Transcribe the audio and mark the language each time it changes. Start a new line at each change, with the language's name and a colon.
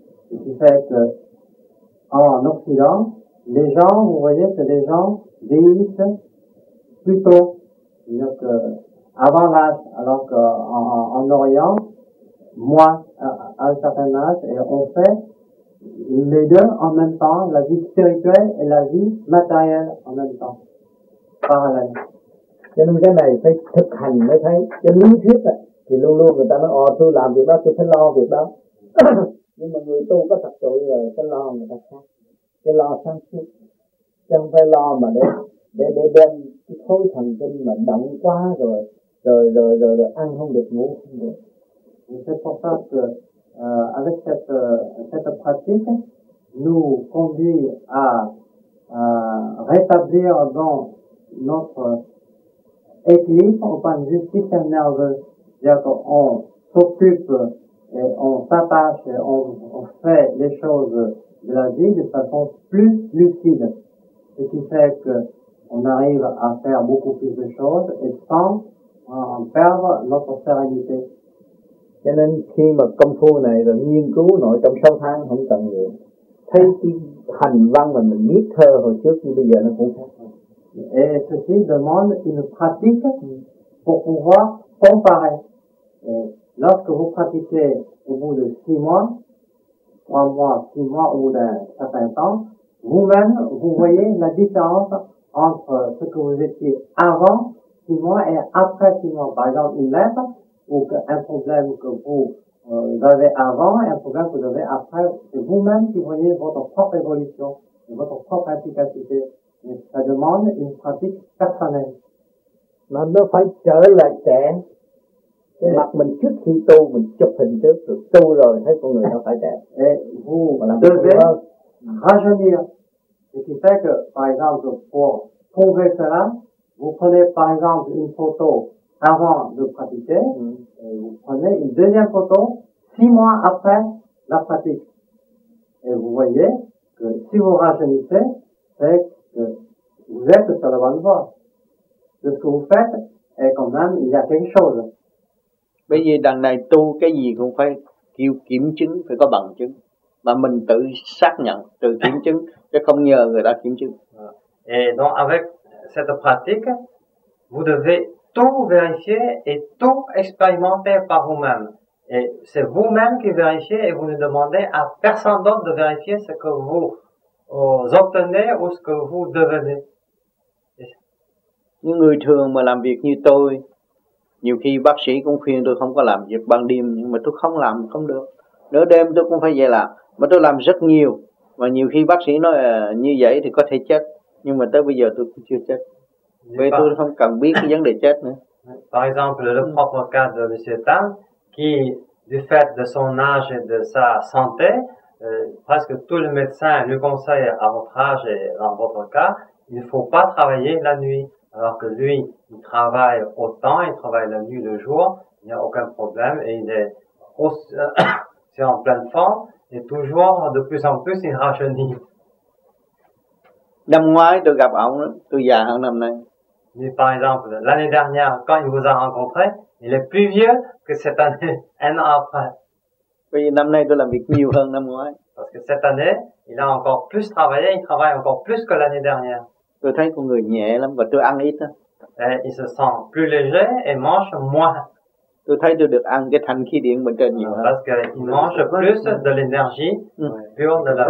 French: Ce qui fait que en Occident, les gens, vous voyez que les gens vieillissent plus tôt, donc avant l'âge, alors qu'en Orient, moins à un certain âge, et on fait les deux en même temps, la vie spirituelle et la vie matérielle en même temps, parallèle.
Vietnamese: Cho nên cái này phải thực hành mới thấy, cho lý thuyết thì luôn luôn người ta nói, tôi làm việc đó, tôi phải lo việc đó. Nhưng mà người tu có thật sự rồi, cái lo người ta khác, cái lo sáng suốt. Chẳng phải lo mà để đem cái khối thần kinh mà động quá rồi ăn không được ngủ không được.
French: C'est pour ça que avec cette pratique nous conduit à rétablir dans notre équilibre au point de vue système nerveux, c'est-à-dire qu'on s'occupe et on s'attache et on fait les choses de la vie de façon plus lucide. Ce qui fait que on arrive à faire beaucoup plus de choses et sans perdre notre sérénité.
Vietnamese: Cho nên khi mà công phu này là nghiên cứu nội trong 6 tháng không cần nhiều. Thấy cái hành văn mà mình biết thơ hồi trước như bây giờ nó cũng khác.
French: Et ceci demande une pratique pour pouvoir comparer. Et lorsque vous pratiquez au bout de 6 mois, 3 mois, 6 mois ou d'un certain temps, vous-même, vous voyez la différence entre ce que vous étiez avant 6 mois et après 6 mois. Par exemple, une lettre, ou un problème que vous avez avant et un problème que vous avez après, c'est vous-même qui voyez votre propre évolution et votre propre efficacité. Et ça demande une pratique personnelle.
Vietnamese: Mais nó phải trở lại trẻ. Cái mặt mình trước khi tu, mình chụp hình trước, rồi tu rồi thấy con người nó phải trẻ.
French: Et vous devez rajeunir. Ce qui fait que, par exemple, pour prouver cela, vous prenez par exemple une photo avant de pratiquer, et vous prenez une deuxième photo 6 mois après la pratique. Et vous voyez que si vous rajeunissez, c'est que vous êtes sur la bonne voie. Ce que vous faites est quand même, il y a quelque chose.
Vietnamese: Bây giờ đằng này tu cái gì cũng phải kêu kiểm chứng, phải có bằng chứng. Mà mình tự xác nhận, tự kiểm chứng, chứ không nhờ người ta kiểm chứng.
French: Et donc avec cette pratique, vous devez tout vérifier et tout expérimenter par vous-même. Et c'est vous-même qui vérifiez et vous ne demandez à personne d'autre de vérifier ce que vous obtenez ou ce que vous devenez.
Vietnamese: Những người thường mà làm việc như tôi, nhiều khi bác sĩ cũng khuyên tôi không có làm việc ban đêm, nhưng mà tôi không làm không được. Nửa đêm tôi cũng phải về làm, mà tôi làm rất nhiều. Mà nhiều khi bác sĩ nói như vậy thì có thể chết, nhưng mà tới bây giờ tôi cũng chưa chết. Vì tôi không cần biết cái vấn đề chết nữa.
French: Par exemple, le propre cas de M. Tan, qui, du fait de son âge et de sa santé, presque tous les médecins lui conseillent à votre âge et dans votre cas, il ne faut pas travailler la nuit. Alors que lui, il travaille autant, il travaille la nuit, le jour, il n'y a aucun problème et il est aussi en pleine forme et toujours de plus en plus il rajeunit.
Vietnamese: Năm ngoái tôi gặp ông, tôi già hơn năm nay.
French: Mais par exemple, l'année dernière, quand il vous a rencontré, il est plus vieux que cette année, un an après.
Vietnamese: Vì năm nay tôi làm việc nhiều hơn năm ngoái.
French: Parce que cette année, il a encore plus travaillé, il travaille encore plus que l'année dernière.
Vietnamese: Tôi thấy con người nhẹ lắm và tôi ăn ít.
French: Il se sent plus léger et mange moins.
Vietnamese: Tôi thấy tôi được ăn cái thanh khí điện bên trên nhiều hơn.
French: Parce qu'il mange plus de l'énergie, plus de la